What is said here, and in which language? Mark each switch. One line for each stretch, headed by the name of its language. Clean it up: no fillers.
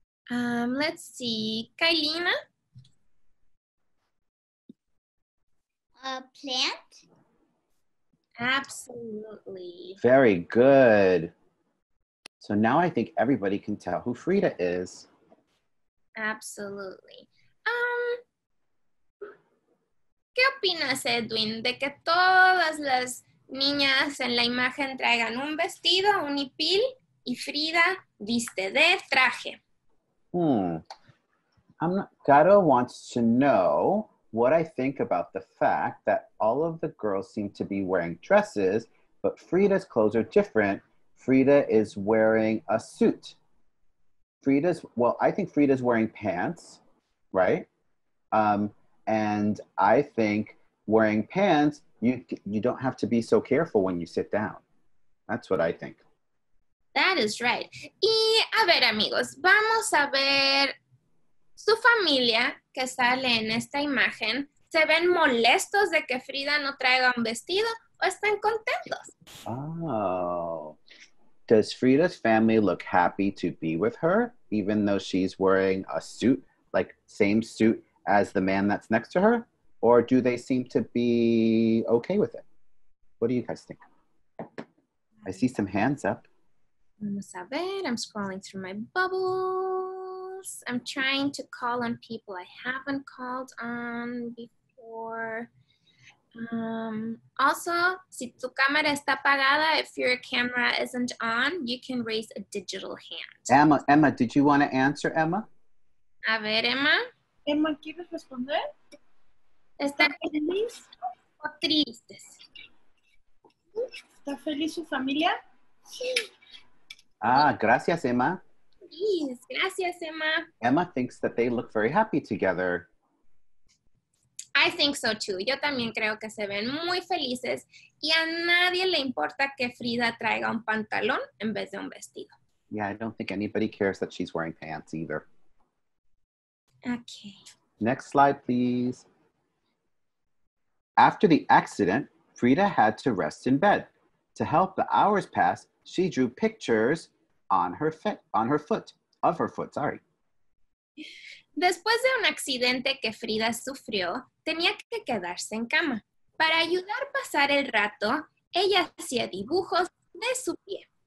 English: Let's see. Kailina? A plant? Absolutely. Very good. So now I think everybody can tell who Frida is. Absolutely.
Spanish: ¿Qué opinas, Edwin, de que todas las niñas en la imagen traigan un vestido, un hipil, y Frida viste de traje?
English: Caro wants to know what I think about the fact that all of the girls seem to be wearing dresses, but Frida's clothes are different. Frida is wearing a suit. I think Frida's wearing pants, right? And I think wearing pants, you don't have to be so careful when you sit down. That's what I think. That is right.
Spanish: Y a ver, amigos, vamos a ver su familia que sale en esta imagen. ¿Se ven molestos de que Frida no traiga un vestido o están contentos?
English: Oh. Does Frida's family look happy to be with her, even though she's wearing a suit, like same suit as the man that's next to her? Or do they seem to be okay with it? What do you guys think? I see some hands up.
Spanish: Vamos a ver,
English: I'm scrolling through my bubbles. I'm trying to call on people I haven't called on before. Also,
Spanish: si tu cámara está apagada,
English: if your camera isn't on, you can raise a digital hand. Emma, did you want to answer, Emma?
Spanish: A ver, Emma. Emma, ¿quieres responder? ¿Está feliz o triste? ¿Está feliz su familia? Sí. Ah, gracias, Emma.
English: Yes,
Spanish: gracias,
English: Emma. Emma thinks that they look very happy together. I think so too.
Spanish: Yo también creo que se ven muy felices y a nadie le importa que Frida traiga un pantalón en vez de un vestido.
English: Yeah, I don't think anybody cares that she's wearing pants either. Okay. Next slide, please. After the accident, Frida had to rest in bed. To help the hours pass, she drew pictures on her foot.
Spanish: Después de un accidente que Frida sufrió, tenía que quedarse en cama. Para ayudar a pasar el rato, ella hacía dibujos de su pie.